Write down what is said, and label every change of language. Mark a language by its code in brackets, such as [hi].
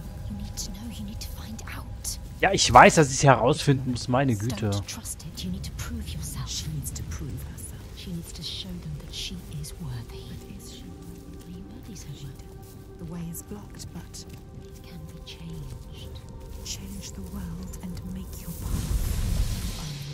[en] You need to know, you need to find out. [de] Ja, ich weiß, dass ich es herausfinden muss, meine Güte. [en] Don't trust it. You need to prove yourself. She needs to prove herself. She needs to show them that she is worthy. But is she worthy? Nobody's worthy. The way is blocked, but it can be changed. Change the world and make your path.